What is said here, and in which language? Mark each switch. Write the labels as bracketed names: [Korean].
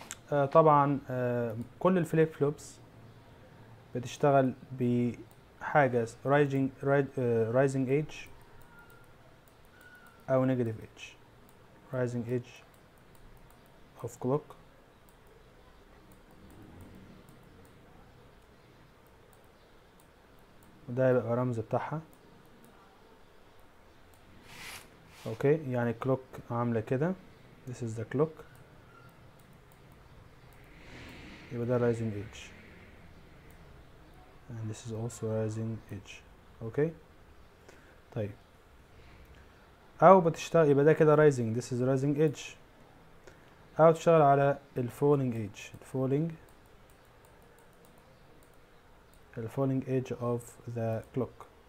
[Arabic] طبعا كل الفليب فلوبس بتشتغل ب حاجة rising edge أو negative edge. rising edge of clock وده هيبقى رمز بتاعها. اوكي، يعني clock عاملة كده، [English] this is the clock، [Arabic] يبقى ده rising edge [English] and this is also rising edge. [Arabic] اوكي طيب، او بتشتغل يبقى ده كده rising، [English] this is rising edge، [Arabic] او تشتغل على ال falling edge. [English] الفولينج edge of the clock.